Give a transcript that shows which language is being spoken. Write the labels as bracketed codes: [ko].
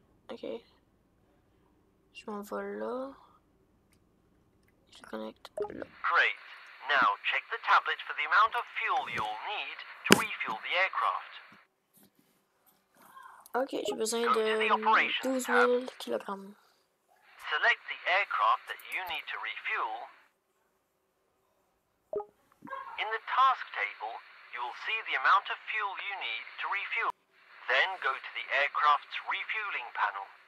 [fr] Okay. Je m'envole là. Je connecte là. [en] Great. Now check the tablet for the amount of fuel you'll need to refuel the aircraft. [fr] Okay, j'ai besoin de 12,000 kilograms. [en] Select the aircraft that you need to refuel. In the task table, you will see the amount of fuel you need to refuel. Then go to the aircraft's refueling panel.